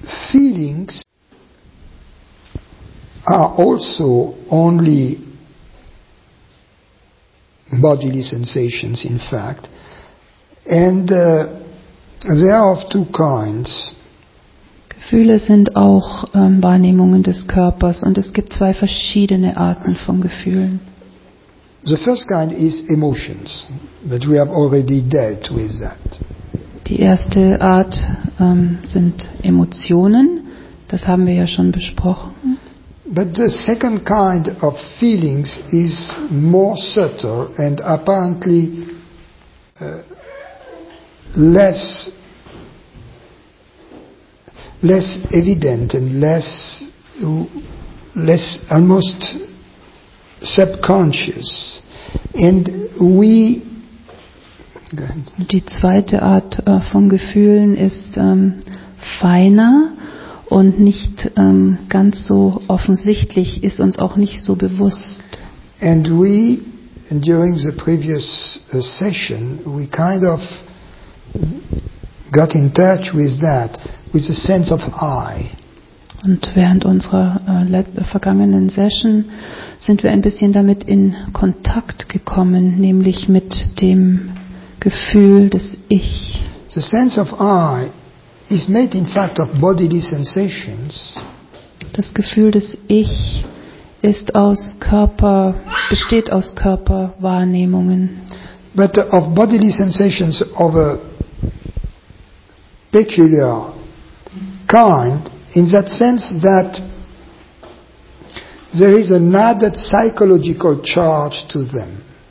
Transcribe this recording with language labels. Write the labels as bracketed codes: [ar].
[en] Feelings are also only bodily sensations, in fact, and they are of two kinds. [de] Gefühle sind auch Wahrnehmungen des Körpers, und es gibt zwei verschiedene Arten von Gefühlen. [en] The first kind is emotions, but we have already dealt with that. [de] Die erste Art sind Emotionen, das haben wir ja schon besprochen. [en] But the second kind of feelings is more subtle and apparently less evident and less almost subconscious. And we [de] Die zweite Art von Gefühlen ist feiner und nicht ganz so offensichtlich, ist uns auch nicht so bewusst. [en] And we, during the previous session, we kind of got in touch with that, with the sense of I. [de] Und während unserer vergangenen Session sind wir ein bisschen damit in Kontakt gekommen, nämlich mit dem Gefühl des Ich. [en] The sense of I is made in fact of bodily sensations. [de] Das Gefühl des Ich ist aus Körper, besteht aus Körperwahrnehmungen. [en] But of bodily sensations of a peculiar kind, in that sense that there is an added psychological charge to them.